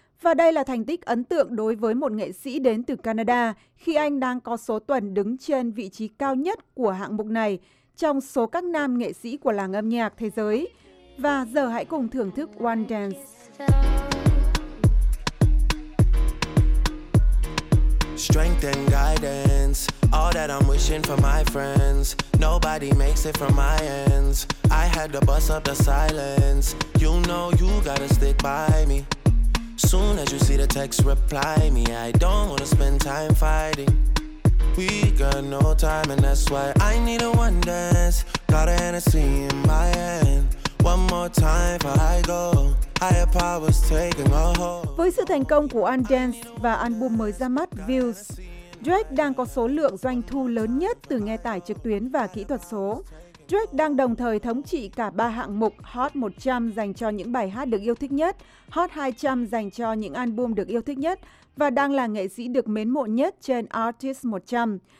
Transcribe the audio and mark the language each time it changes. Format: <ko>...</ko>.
<vi>Và đây là thành tích ấn tượng đối với một nghệ sĩ đến từ Canada khi anh đang có số tuần đứng trên vị trí cao nhất của hạng mục này trong số các nam nghệ sĩ của làng âm nhạc thế giới. Và giờ hãy cùng thưởng thức One Dance.</vi> <en>Strength and guidance, all that I'm wishing for my friends. Nobody makes it from my ends. I had to bust up the silence. You know you gotta stick by me. soon as you see the text, reply me. I don't wanna spend time fighting. We got no time, and that's why I need a one dance. Got a Hennessy in my hand. One more time before I go. Higher powers taking a hold.</en> <vi>Với sự thành công của One Dance và album mới ra mắt Views, Drake đang có số lượng doanh thu lớn nhất từ nghe tải trực tuyến và kỹ thuật số. Drake đang đồng thời thống trị cả ba hạng mục Hot 100 dành cho những bài hát được yêu thích nhất, Hot 200 dành cho những album được yêu thích nhất và đang là nghệ sĩ được mến mộ nhất trên Artist 100.</vi>